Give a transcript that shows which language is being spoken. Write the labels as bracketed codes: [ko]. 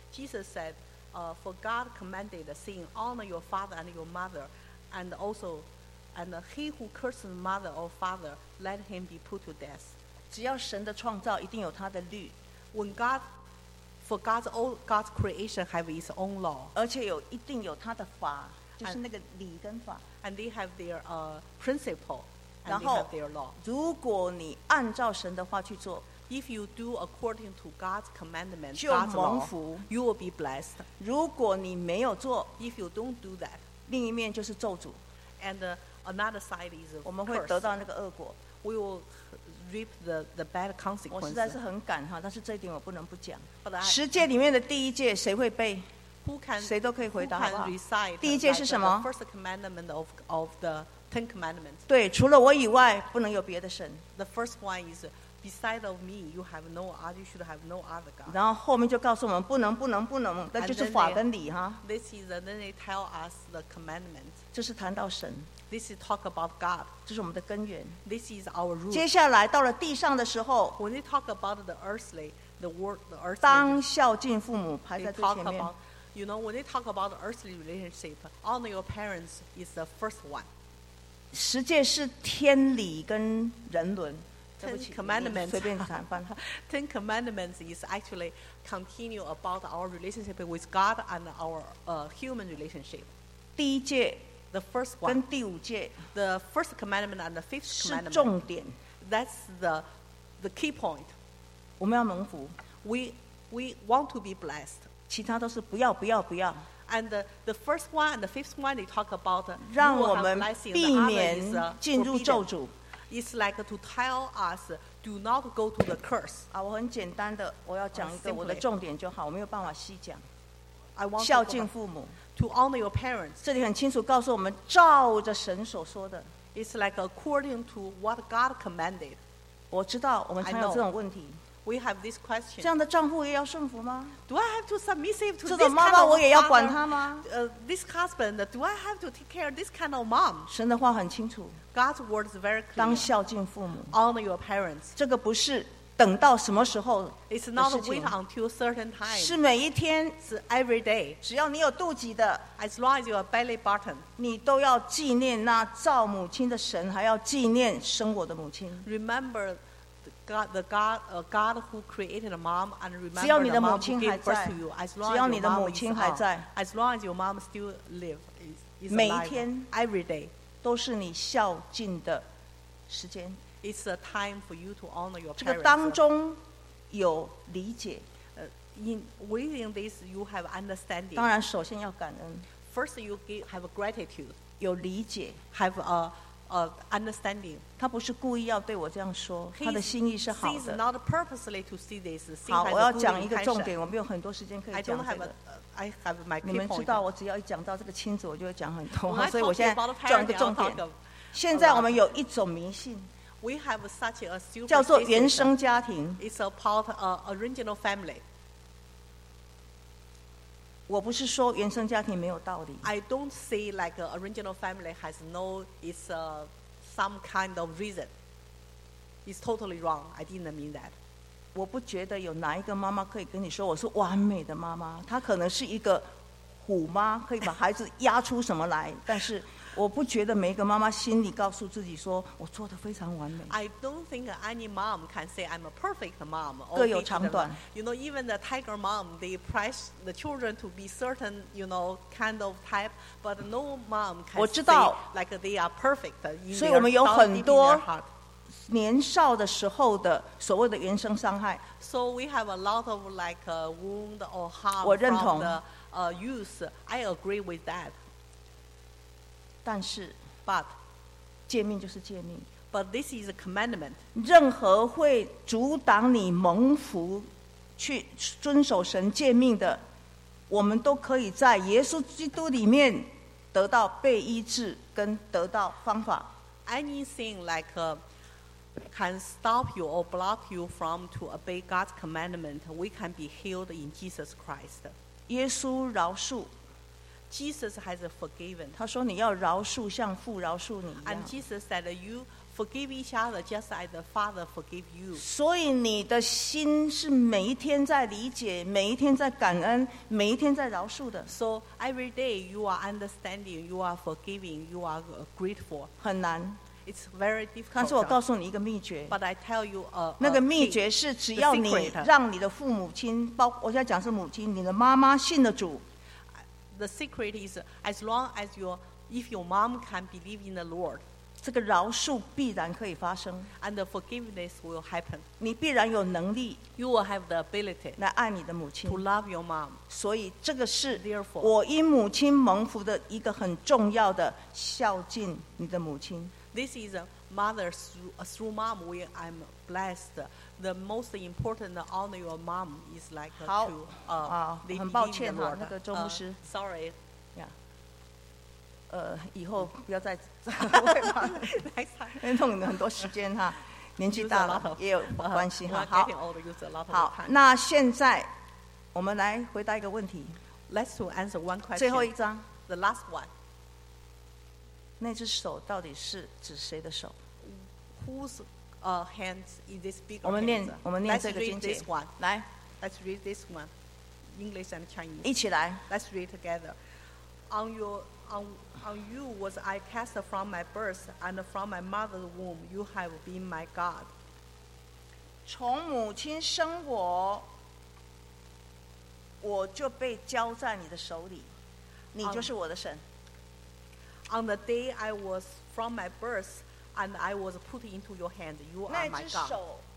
[en] Jesus said, for God commanded, saying, honor your father and your mother, and also, and he who curses mother or father, let him be put to death. [zh] 只要神的创造一定有他的律. [en] When God, for God's, all God's creation have its own law. [zh] 而且有一定有他的法, 就是那个理跟法. [en] And they have their principle, and [zh] 然后, [en] they have their law. [zh] 如果你按照神的话去做, [en] If you do according to God's commandment, [zh] 就蒙福, [en] God's law, you will be blessed. [zh] 如果你没有做, [en] if you don't do that, [zh] 另一面就是咒诅, [en] and another side is a curse. [zh] 我们会得到那个恶果, [en] we will reap the bad consequences. [zh] 我实在是很感哈, 但是这一点我不能不讲。 [en] But I, [zh] 十诫里面的第一诫, 谁会背? [en] Who can, [zh] 谁都可以回答, [en] who can recite [zh] 第一诫是什么? [en] The first commandment of the Ten Commandments? [zh] 对, 除了我以外, 不能有别的神。 [en] The first one is Beside of me, you have no other. You should have no other God. [zh] 然后后面就告诉我们不能不能不能, 那就是法跟理, [en] and then they, this is then they tell us the commandment. [zh] 这是谈到神. [en] This is talk about God. [zh] 这是我们的根源. [en] This is our root. [zh] 接下来到了地上的时候, [en] when they talk about the earthly, the word the earthly. [zh] 当孝敬父母, 排在最前面, [en] talk about, you know, when they talk about the earthly relationship, honor your parents is the first one. [zh] 十诫是天理跟人伦. [en] Ten Commandments is actually continue about our relationship with God and our human relationship. [zh] 第一诫, [en] the first one, [zh] 跟第五诫, [en] the first commandment and the fifth commandment, [zh] 是重点, [en] that's the key point. [zh] 我们要蒙福, [en] we want to be blessed. [zh] 其他都是不要不要不要, [en] and the first one and the fifth one, they talk about [zh] 让我们避免进入咒诅。 [en] It's like to tell us, do not go to the curse. [zh] 啊, 我很简单的, 我要讲一个我的重点就好, 我没有办法细讲。 [en] I want [zh] 孝敬父母, [en] to honor your parents. [zh] 这里很清楚告诉我们, 照着神所说的, [en] It's like according to what God commanded. [zh] 我知道我们常有这种问题。 [en] We have this question. [zh] 这样的丈夫也要顺服吗? [en] Do I have to submissive to [zh] 这种妈妈我也要管她吗? [en] This husband, do I have to take care of this kind of mom? [zh] 神的话很清楚。 [en] God's word is very clear. [zh] 当孝敬父母, [en] honor your parents. [zh] 这个不是等到什么时候, [en] it's not wait until certain time. [zh] 是每一天, [en] it's every day. [zh] 只要你有肚脐的, [en] as long as you are belly button, [zh] 你都要纪念那造母亲的神, 还要纪念生我的母亲。 [en] Remember God who created a mom, and remember your mom who gave birth to you. As long as your mom is alive, as long as your mom still lives, is alive. [zh] 每一天, [en] every day. [zh] 都是你孝敬的时间. [en] It's a time for you to honor your parents. [zh] 这个当中有理解, [en] within this you have understanding. [zh] 当然首先要感恩. [en] First you have a gratitude. [zh] 有理解, [en] have a understanding. [zh] 他不是故意要对我这样说, 他的心意是好的. [en] He's not purposely to see this. [zh] 好,我要讲一个重点, 我没有很多时间可以讲这个。 [en] I have my key point. [zh] 你们知道我只要一讲到这个亲子, 我就会讲很多, [en] when [zh] 所以我现在转个重点, 现在我们有一种迷信, [en] we have such a super, [zh] 叫做原生家庭, [en] it's about original family. [zh] 我不是说原生家庭没有道理, [en] I don't say like original family has no, it's some kind of reason. It's totally wrong. I didn't mean that. [zh] 我不觉得有哪一个妈妈可以跟你说我是完美的妈妈，她可能是一个虎妈，可以把孩子压出什么来，但是我不觉得每一个妈妈心里告诉自己说我做得非常完美。 [en] I don't think any mom can say I'm a perfect mom. [zh] 各有长短。 [en] You know, even the tiger mom, they press the children to be certain, you know, kind of type, but no mom can say like they are perfect in their heart. [zh] 所以我们有很多年少的时候的所谓的原生伤害。 [en] So we have a lot of like a wound or harm. [zh] 我认同 [en] from the youth. I agree with that. [zh] 但是 [en] But [zh] 诫命就是诫命。 [en] But this is a commandment. [zh] 任何会阻挡你蒙福去遵守神诫命的，我们都可以在耶稣基督里面得到被医治跟得到方法。 [en] Anything like can stop you or block you from to obey God's commandment, we can be healed in Jesus Christ. [zh] 耶稣饶恕。 [en] Jesus has forgiven. [zh] 他说你要饶恕像父饶恕你一样。 [en] And Jesus said you forgive each other just as the Father forgive you. [zh] 所以你的心是每一天在理解，每一天在感恩，每一天在饶恕的。 [en] So every day you are understanding, you are forgiving, you are grateful. [zh] 很难。 [en] It's very difficult. [zh] 但是我告诉你一个秘诀。 [en] But I tell you a [zh] 那个秘诀是只要你让你的父母亲，包括我现在讲是母亲，你的妈妈信了主。 [en] The secret is as long as if your mom can believe in the Lord, [zh] 这个饶恕必然可以发生。 [en] And the forgiveness will happen. [zh] 你必然有能力。 [en] You will have the ability [zh] 来爱你的母亲。 [en] To love your mom. [zh] 所以这个是 [en] Therefore, [zh] 我因母亲蒙福的一个很重要的孝敬你的母亲。 [en] This is a mother through mom we I'm blessed. The most important honor your mom is like to leading the Lord. [zh] 很抱歉啊，那个周牧师。 [en] Sorry. [zh] Yeah. 以后不要再再会嘛。弄你们很多时间哈，年纪大了 [en] of, [zh] 也有关系哈。 [en] Getting older use a lot of time. [zh] 好，那现在我们来回答一个问题。 [en] Let's to answer one question. [zh] 最后一张。 [en] The last one. [zh] 那只手到底是指谁的手？ [en] Whose hands is this big hand? [zh] 我们念这个经节。 [en] Let's read this one. [zh] 来。 [en] Let's read this one. English and Chinese. [zh] 一起来。 [en] Let's read together. On you was I cast from my birth and from my mother's womb, you have been my God. [zh] 从母亲生我，我就被交在你的手里，你就是我的神。 [en] On the day I was from my birth, and I was put into your hand, you are my God.